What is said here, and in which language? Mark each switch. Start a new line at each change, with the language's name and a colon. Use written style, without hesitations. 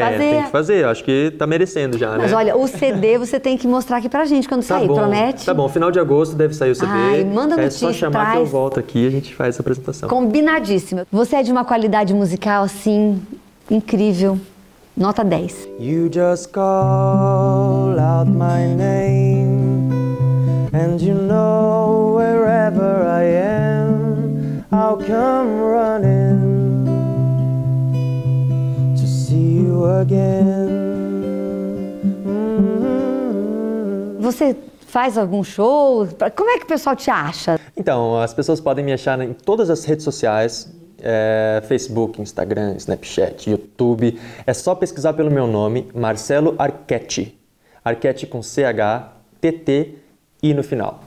Portuguese: Fazer. Tem que fazer, acho que tá merecendo já, mas né? Mas olha, o CD você tem que mostrar aqui pra gente quando tá sair, bom. Promete? Tá bom, final de agosto deve sair o CD. Ai, manda notícia. É só chamar que eu volto aqui e a gente faz essa apresentação. Combinadíssima. Você é de uma qualidade musical, assim, incrível. Nota 10.
English: You just call out my name, and you know wherever I am, I'll come running to see you again.
Portuguese: Mm-hmm. Você faz algum show? Como é que o pessoal te acha? Então, as pessoas podem me achar em todas as redes sociais, Facebook, Instagram, Snapchat, YouTube. É só pesquisar pelo meu nome, Marcelo Arquette. Arquette com CH, TT e no final.